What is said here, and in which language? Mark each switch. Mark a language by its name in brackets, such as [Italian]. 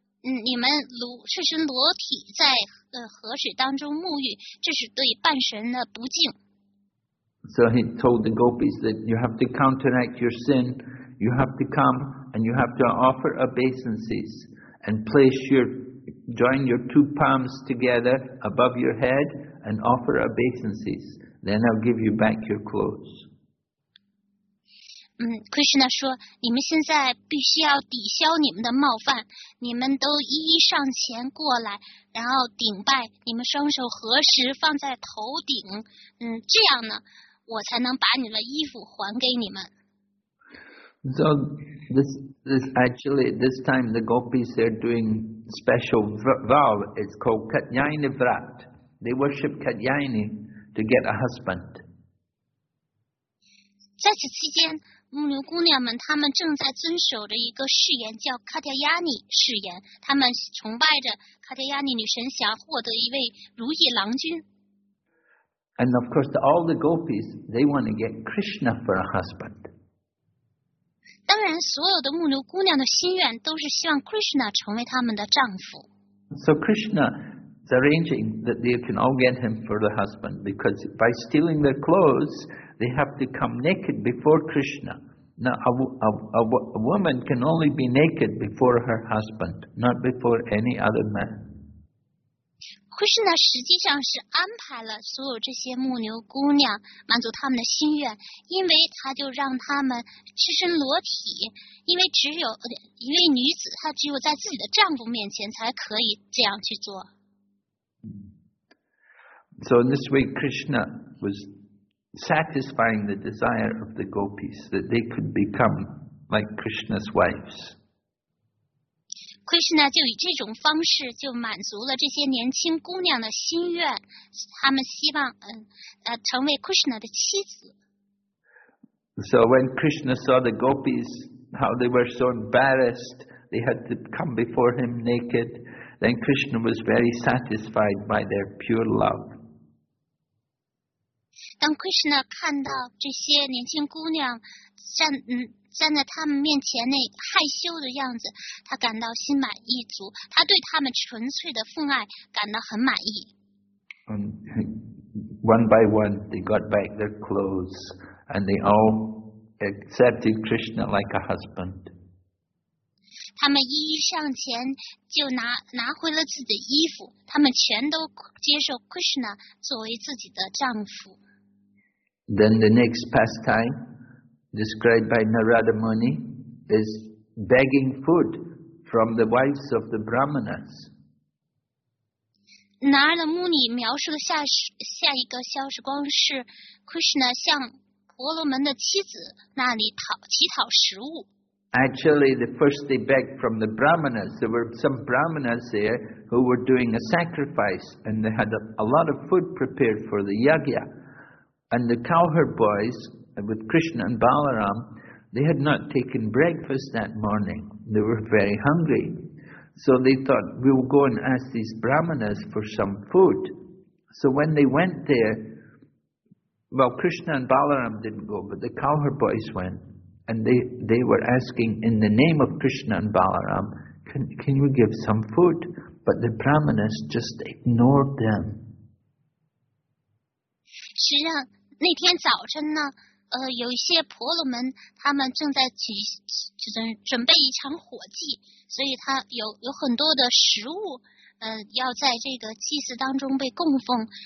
[Chinese] 你们赤身裸体在河水当中沐浴，这是对半神的不敬。 [English] So he told the gopis that you have to counteract your sin, you have to come and you have to offer obeisances and join your two palms together above your head and offer obeisances. Then I'll give you back your clothes. [Chinese] Krishna 说，你们现在必须要抵消你们的冒犯，你们都一一上前过来，然后顶拜，你们双手合十放在头顶，这样呢。我才能把你的衣服还给你们。 [English] So this actually this time the gopis are doing special vow. It's called Katyayani Vrat. They worship Katyayani to get a husband. [Chinese] 在此期间，牧牛姑娘们她们正在遵守着一个誓言，叫卡提亚尼誓言，她们崇拜着卡提亚尼女神，想获得一位如意郎君。 [English] And of course, all the gopis, they want to get Krishna for a husband. [Chinese] 当然，所有的牧牛姑娘的心愿都是希望 Krishna 成为他们的丈夫。 [English] So Krishna is arranging that they can all get him for the husband because by stealing their clothes, they have to come naked before Krishna. Now, a woman can only be naked before her husband, not before any other man. [Chinese] Krishna 实际上是安排了所有这些牧牛姑娘满足他们的心愿，因为他就让他们赤身裸体，因为只有一位女子，她只有在自己的丈夫面前才可以这样去做。 [English] So in this way, Krishna was satisfying the desire of the gopis that they could become like Krishna's wives. [Chinese] Krishna 就以这种方式就满足了这些年轻姑娘的心愿，她们希望成为 Krishna 的妻子。 [English] So when Krishna saw the gopis, how they were so embarrassed, they had to come before him naked, then Krishna was very satisfied by their pure love. [Chinese] 当 Krishna 看到这些年轻姑娘站在他们面前那害羞的样子，他感到心满意足，他对他们纯粹的父爱感到很满意。 [English] One by one, they got back their clothes, and they all accepted Krishna like a husband. [Chinese] 他们一一上前，就拿回了自己的衣服，他们全都接受 Krishna 作为自己的丈夫。 [English] Then the next pastime,described by Narada Muni, is begging food from the wives of the brahmanas. [Chinese] Narada Muni 描述的下一个消失光是 Krishna 向婆罗门的妻子那里乞讨食物。 [English] Actually, the first they begged from the brahmanas. There were some brahmanas there who were doing a sacrifice, and they had a lot of food prepared for the yagya. And the cowherd boys. With Krishna and Balaram, they had not taken breakfast that morning. They were very hungry. So they thought, we'll go and ask these brahmanas for some food. So when they went there, well, Krishna and Balaram didn't go, but the cowherd boys went. And they were asking in the name of Krishna and Balaram, can you give some food? But the brahmanas just ignored them. [Chinese] 实际上那天早晨呢有一些婆罗门他们正在准备一场火祭，所以他有很多的食物要在这个祭祀当中被供奉。